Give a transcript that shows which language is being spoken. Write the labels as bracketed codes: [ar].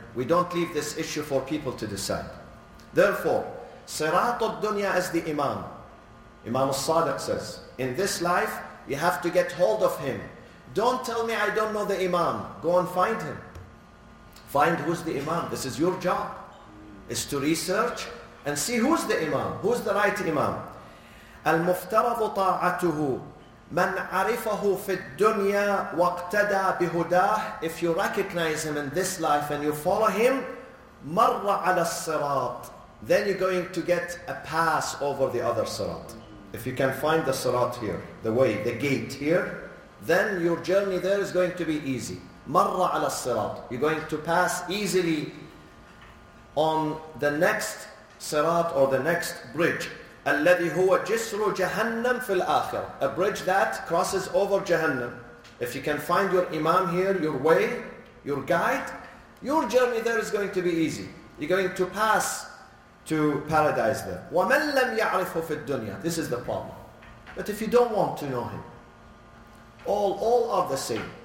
[en] We don't leave this issue for people to decide. Therefore, [ar] صِرَاطُ الدُّنْيَا [en] as the imam. Imam al-Sadiq says, in this life, you have to get hold of him. Don't tell me I don't know the imam. Go and find him. Find who's the imam. This is your job. It's to research and see who's the imam. Who's the right imam? [ar] المفترض طاعته من عرفه في الدنيا واقتدى بهداه. [en] If you recognize him in this life and you follow him, [ar] مر على الصراط. [en] Then you're going to get a pass over the other صراط. If you can find the صراط here, the way, the gate here, then your journey there is going to be easy. [ar] مر على الصراط. [en] You're going to pass easily on the next صراط or the next bridge. [ar] الذي هو جسر جهنم في الآخرة. [en] A bridge that crosses over Jahannam. If you can find your imam here, your way, your guide, your journey there is going to be easy. You're going to pass to paradise there. [ar] ومن لم يعرفه في الدنيا. [en] This is the problem. But if you don't want to know him, all are the same.